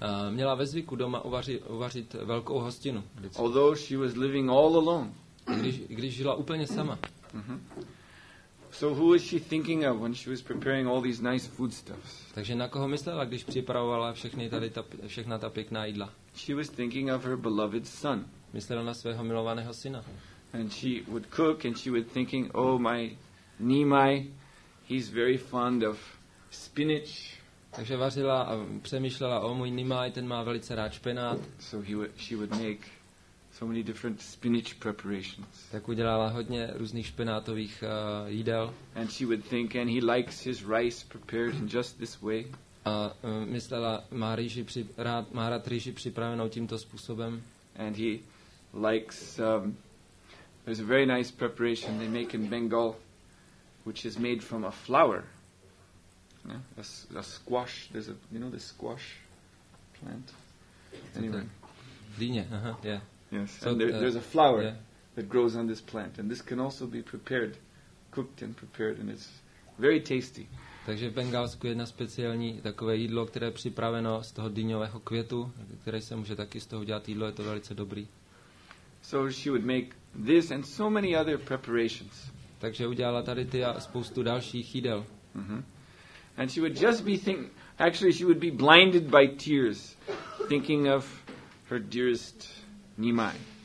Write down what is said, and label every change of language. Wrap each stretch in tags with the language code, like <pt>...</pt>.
<cs>Měla ve zvyku doma uvařit velkou hostinu.</cs> <en>Although she was living all alone.</en> <cs>Když žila úplně sama.</cs> <en>So who was she thinking of when she was preparing all these nice foodstuffs?</en> <cs>Takže na koho myslela, když připravovala všechna ta pěkná jídla?</cs> <en>She was thinking of her beloved son.</en> <cs>Myslela na svého milovaného syna.</cs> <en>And she would cook and she would thinking, oh my Nimai, he's very fond of spinach.</en> <cs>Takže vařila a přemýšlela, o můj Nimai, ten má velice rád špenát.</cs> <en>So she would make So many different spinach preparations.</en> <cs>Tak udělala hodně různých špenátových jídel.</cs> <en>And she would think, and he likes his rice prepared in just this way.</en> <cs>A myslela, má rád rýži připravenou tímto způsobem.</cs> <en>And he likes there's a very nice preparation they make in Bengal, which is made from a flower. Yeah, a squash. There's a, you know, the squash plant. Anyway. Dýně. Yeah. Yes, so, and there's a flower that grows on this plant, and this can also be prepared, cooked and prepared, and it's very tasty.</en> <cs>Takže v Bengálsku je jedna speciální takové jídlo, které je připraveno z toho dýňového květu, které se může taky z toho udělat jídlo, je to velice dobrý.</cs> <en>So she would make this and so many other preparations.</en> <cs>Takže udělala tady ty a spoustu dalších jídel. Mm-hmm.</cs> <en>And she would just be actually she would be blinded by tears, thinking of her dearest Nimai.</en>